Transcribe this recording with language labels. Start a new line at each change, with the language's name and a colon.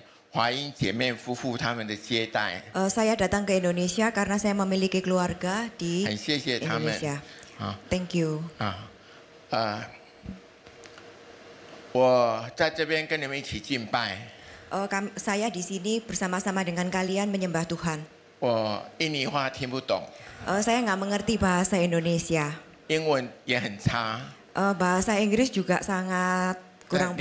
Chinese: 我来到这里是因为有关华明弟兄跟赖华英姐妹夫妇他们的接待。
Indonesian: Saya datang ke Indonesia karena saya memiliki keluarga di
Chinese: Indonesia. 很谢谢他们.
English: Thank you.
Chinese: 我在这边跟你们一起敬拜。
Indonesian: Saya di sini bersama-sama dengan kalian menyembah Tuhan.
Chinese: 我印尼话听不懂。
Indonesian: Saya nggak mengerti bahasa Indonesia.
Chinese: 英文也很差.
Indonesian: Bahasa Inggris juga sangat kurang baik.